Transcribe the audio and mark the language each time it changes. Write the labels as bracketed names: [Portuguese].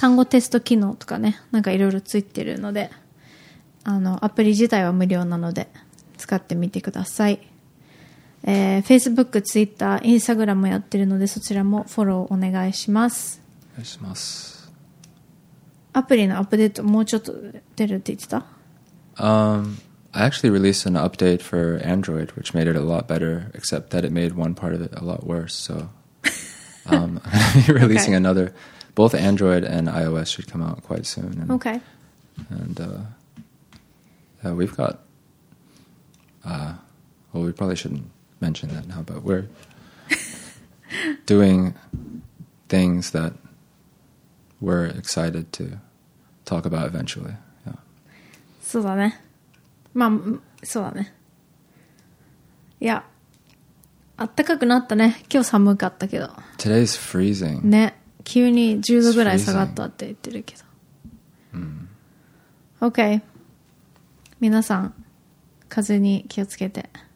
[Japanese] 単語テスト機能とかね、なんかいろいろついてるので、あの、アプリ自体は無料なので、使ってみてください。 Facebook、Twitter、Instagram もやってるのでそちらもフォローお願いします。お願いします。アプリのアップデートもうちょっと出るって言ってた。 [English] I actually released an update for Android which made it a lot better except that it made one part of it a lot worse, so I'm releasing another. Both Android and iOS should come out quite soon. And, okay. And we've got well, we probably shouldn'tmention that now, but we're doing things that we're excited to talk about eventually. Yeah. [Japanese] そうだね。まあ、そうだね。いや、あったかくなったね。今日寒かったけど。 [English] Today's freezing. [Japanese] ね、急に10度ぐらい下がったって言ってるけど。 Mm. [English] Okay. [Japanese] 皆さん、風に気をつけて。